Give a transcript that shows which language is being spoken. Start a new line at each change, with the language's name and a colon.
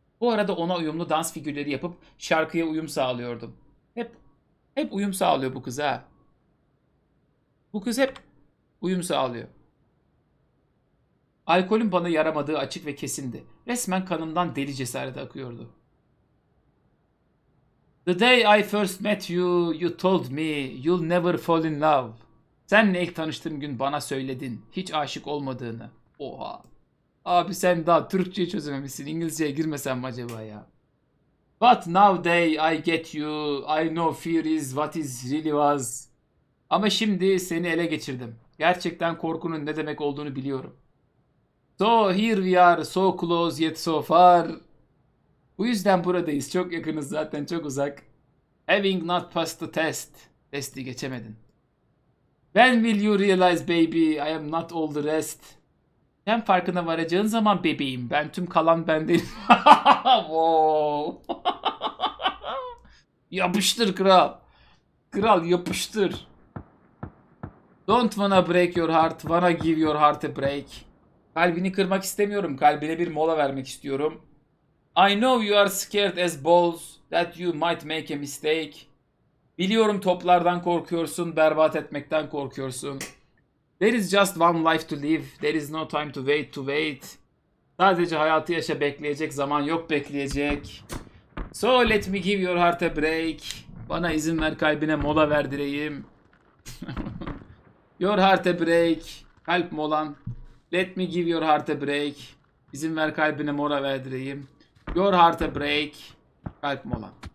Turkish: Bu arada ona uyumlu dans figürleri yapıp şarkıya uyum sağlıyordum. Hep uyum sağlıyor bu kız ha. Bu kız hep Uyum sağlıyor. Alkolün bana yaramadığı açık ve kesindi. Resmen kanımdan deli cesareti akıyordu.
English: The day I first met you, you told me you'll never fall in love.
Turkish: Senle ilk tanıştığım gün bana söyledin hiç aşık olmadığını. Oha. Abi sen daha Türkçe'yi çözememişsin. İngilizce'ye girmesen mi acaba ya?
English: But now day I get you, I know fear is what is really was.
Turkish: Ama şimdi seni ele geçirdim. Gerçekten korkunun ne demek olduğunu biliyorum.
English: So here we are, so close yet so far.
Turkish: Bu yüzden buradayız. Çok yakınız zaten, çok uzak.
English: Having not passed the test.
Turkish: Testi geçemedin.
English: When will you realize baby, I am not all the rest.
Turkish: Sen farkına varacağın zaman bebeğim. Ben tüm kalan ben değilim. Wow. Yapıştır kral. Kral yapıştır.
English: Don't wanna break your heart, wanna give your heart a break.
Turkish: Kalbini kırmak istemiyorum. Kalbine bir mola vermek istiyorum.
English: I know you are scared as balls that you might make a mistake.
Turkish: Biliyorum toplardan korkuyorsun, berbat etmekten korkuyorsun.
English: There is just one life to live. There is no time to wait, to wait.
Turkish: Sadece hayatı yaşa, bekleyecek zaman yok, bekleyecek.
English: So let me give your heart a break.
Turkish: Bana izin ver, kalbine mola verdireyim.
English: Your heart a break.
Turkish: Kalp molan.
English: Let me give your heart a break.
Turkish: İzin ver, kalbine mola verdireyim.
English: Your heart a break.
Turkish: Kalp molan.